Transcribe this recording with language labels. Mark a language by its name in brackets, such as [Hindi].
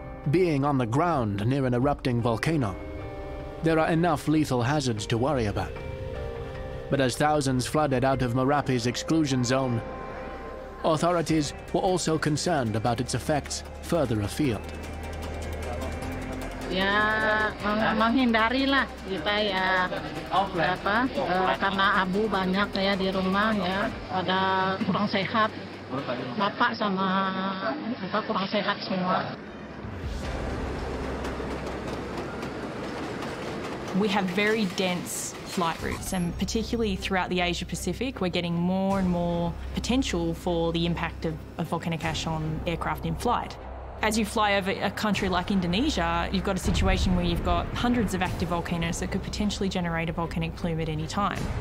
[English] Being on the ground near an erupting volcano, there are enough lethal hazards to worry about. But as thousands flooded out of Merapi's exclusion zone, authorities were also concerned about its effects further afield. [Indonesian] Ya, menghindari lah kita ya, apa, karena abu banyak ya di rumah ya, pada kurang sehat, bapak sama apa kurang sehat semua. [English] We have very dense flight routes, and particularly throughout the Asia Pacific, we're getting more and more potential for the impact of volcanic ash on aircraft in flight. As you fly over a country like Indonesia, you've got a situation where you've got hundreds of active volcanoes that could potentially generate a volcanic plume at any time.